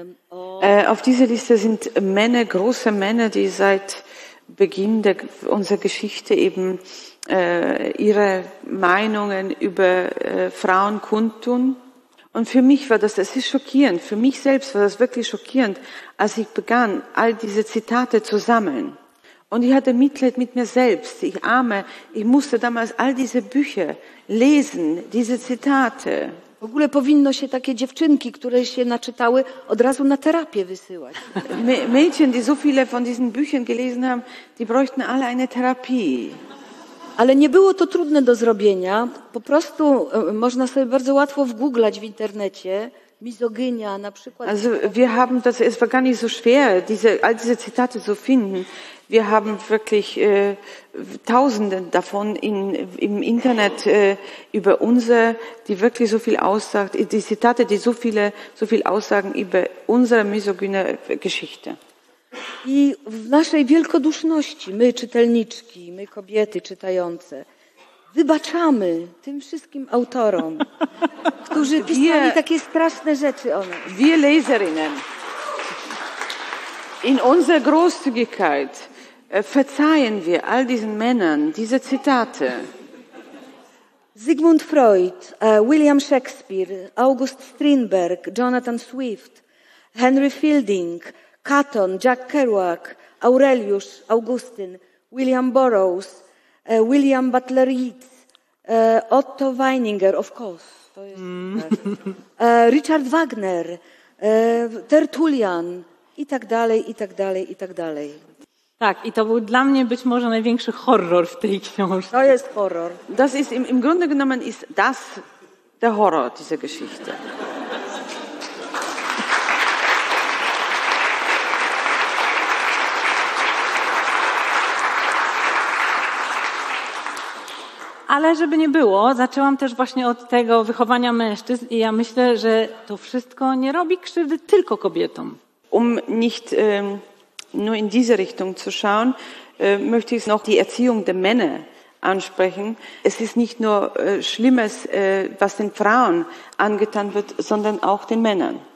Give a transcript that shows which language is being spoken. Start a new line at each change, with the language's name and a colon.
German: Auf dieser Liste sind Männer, große Männer, die seit Beginn unserer Geschichte eben ihre Meinungen über Frauen kundtun. Und für mich war das, ist schockierend, für mich selbst war das wirklich schockierend, als ich begann, all diese Zitate zu sammeln. Und ich hatte Mitleid mit mir selbst, ich arme, ich musste damals all diese Bücher lesen, diese Zitate.
Polish: W ogóle powinno się takie dziewczynki, które się naczytały, od razu na terapię wysyłać.
German: Mädchen, die so viele von diesen Büchern gelesen haben, die bräuchten alle eine Therapie.
Polish: Ale nie było to trudne do zrobienia. Po prostu można sobie bardzo łatwo wgooglać w internecie. Misogynia na przykład.
German: Also wir haben, das ist gar nicht so schwer, all diese Zitate zu finden. Wir haben wirklich tausende davon im Internet über unsere, die wirklich so viel aussagt, die Zitate, die so viel aussagen über unsere misogyne Geschichte.
Polish: I w naszej wielkoduszności, my czytelniczki, my kobiety czytające, wybaczamy tym wszystkim autorom, którzy pisali takie straszne rzeczy o nas.
German: Wir Leserinnen. In unserer Großzügigkeit verzeihen wir all diesen Männern diese Zitate.
English: Sigmund Freud, William Shakespeare, August Strindberg, Jonathan Swift, Henry Fielding, Catton, Jack Kerouac, Aurelius, Augustine, William Burroughs, William Butler Yeats, Otto Weininger, of course.
Polish: To jest, Richard Wagner, Tertullian i tak dalej, i tak dalej, i tak dalej. Tak, i to był dla mnie być może największy horror w tej książce. To jest horror.
German: Das ist im Grunde genommen ist das der Horror dieser Geschichte.
Polish: Ale żeby nie było, zaczęłam też właśnie od tego wychowania mężczyzn i ja myślę, że to wszystko nie robi krzywdy tylko kobietom.
German: Nicht nur in diese Richtung zu schauen, möchte ich noch die Erziehung der Männer ansprechen. Es ist nicht nur Schlimmes, was den Frauen angetan wird, sondern auch den Männern.